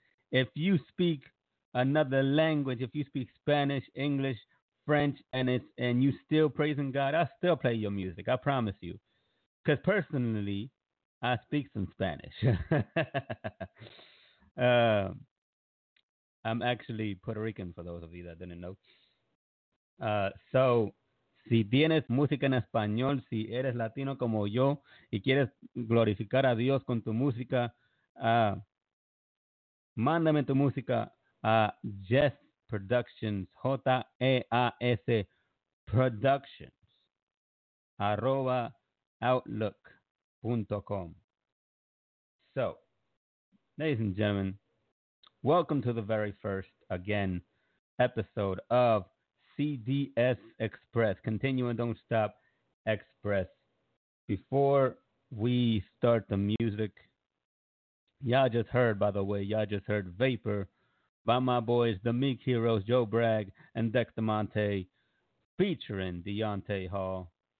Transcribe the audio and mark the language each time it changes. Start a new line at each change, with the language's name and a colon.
English: If you speak another language, if you speak Spanish, English, French, and you still praising God, I'll still play your music. I promise you. Because personally, I speak some Spanish. I'm actually Puerto Rican, for those of you that didn't know.
Spanish: Si tienes música en español, si eres latino como yo y quieres glorificar a Dios con tu música, mándame tu música a Jess Productions, J-E-A-S Productions, @outlook.com.
English: So, ladies and gentlemen, welcome to the very first, again, episode of CDS Express, Continue and Don't Stop Express. Before we start the music, y'all just heard, by the way, y'all just heard Vapor by my boys, the Meek Heroes, Joe Bragg and Dextamonte, featuring Deontay Hall.